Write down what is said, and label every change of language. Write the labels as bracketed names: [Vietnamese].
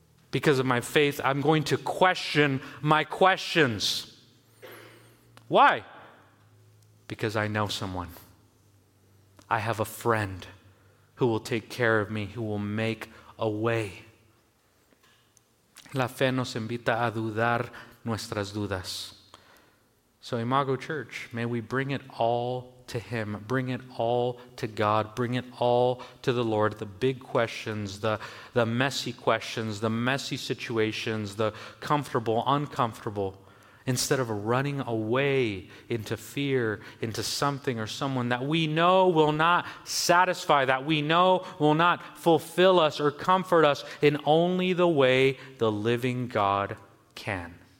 [English] Because of my faith, I'm going to question my questions. Why? Because I know someone. I have a friend who will take care of me, who will make a way. [Spanish] La fe nos invita a dudar nuestras dudas. [English] So Imago Church, may we bring it all to him, bring it all to God, bring it all to the Lord, the big questions, the messy questions, the messy situations, the comfortable, uncomfortable, instead of running away into fear, into something or someone that we know will not satisfy, that we know will not fulfill us or comfort us in only the way the living God can.